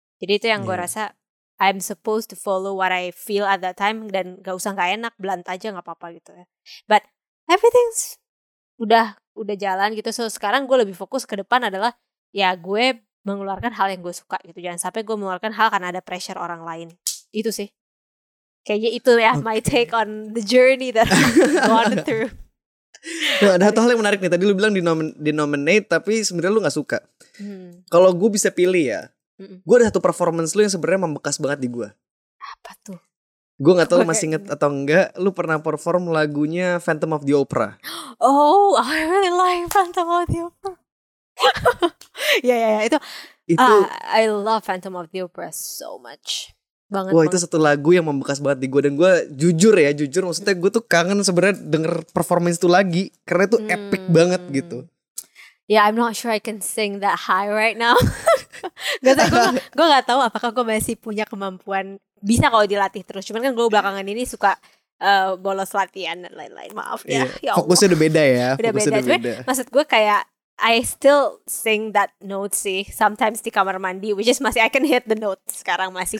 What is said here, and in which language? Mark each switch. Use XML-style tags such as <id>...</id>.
<id>Jadi itu yang gue rasa,</id> <en>I'm supposed to follow what I feel at that time,</en> <id>dan gak usah gak enak, blunt aja gak apa-apa gitu ya.</id> <en>But everything's</en> <id>udah jalan gitu. So sekarang gue lebih fokus ke depan adalah, ya gue mengeluarkan hal yang gue suka gitu. Jangan sampai gue mengeluarkan hal karena ada pressure orang lain. Itu sih. Kayaknya itu ya, okay.</id> <en>My take on the journey that I've gone through.</en> <id>Nah, ada satu hal yang menarik nih, tadi lu bilang dinominate tapi sebenarnya lu gak suka. Kalau gue bisa pilih ya, gue ada satu performance lu yang sebenarnya membekas banget di gue. Apa tuh? Gue gak tau lu masih inget atau enggak, lu pernah perform lagunya Phantom of the Opera.</id> <en>Oh, I really like Phantom of the Opera.</en> <id>Ya, itu</id> <en>I love Phantom of the Opera so much.</en> <id>Banget, wah, itu satu lagu yang membekas banget di gue. Dan gue jujur maksudnya gue tuh kangen sebenarnya denger performance itu lagi, karena itu epic banget gitu.</id> <en>Yeah, I'm not sure I can sing that high right now.</en> <id>Gue gak tahu apakah gue masih punya kemampuan, bisa kalau dilatih terus. Cuman kan gue belakangan ini suka bolos latihan dan lain-lain. Maaf ya, yeah. Fokusnya udah beda ya. Udah beda. Maksud gue kayak</id> <en>I still sing that note sih, sometimes</en> <id>di kamar mandi,</id> <en>which is masih I can hit the note</en> <id>sekarang masih.</id>